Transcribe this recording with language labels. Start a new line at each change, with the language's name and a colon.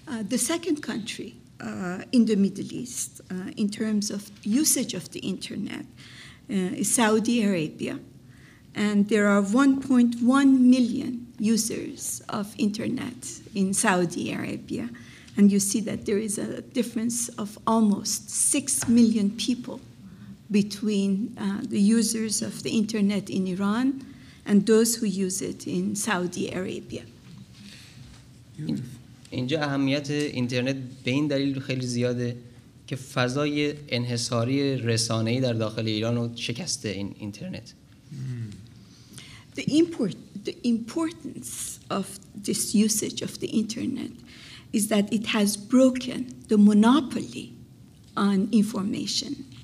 English: The second country in the Middle East in terms of usage of the internet is Saudi Arabia, and there are 1.1 million users of internet in Saudi Arabia, and you see that there is a difference of almost 6 million people between the users of the internet in Iran and those who use it in Saudi Arabia.
Persian: اینجا اهمیت اینترنت به این دلیل خیلی زیاده که فضای انحصاری رسانه‌ای در داخل ایران رو شکسته این اینترنت.
English: The importance of this usage of the internet is that it has broken the monopoly on information.